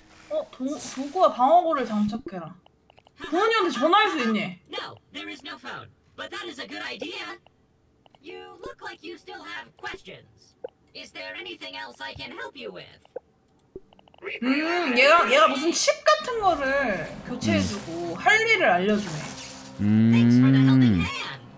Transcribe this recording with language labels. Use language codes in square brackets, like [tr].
[ko] 어 도구와 방어구를 장착해라. 도훈이한테 전화할 수 있니? [en] No, there is no phone. But that is a good idea. You look like you still have questions. Is there anything else I can help you with? [ko] 얘가 무슨 칩 같은 거를 교체해주고 할 일을 알려주네. [en] Thanks for the helping hand.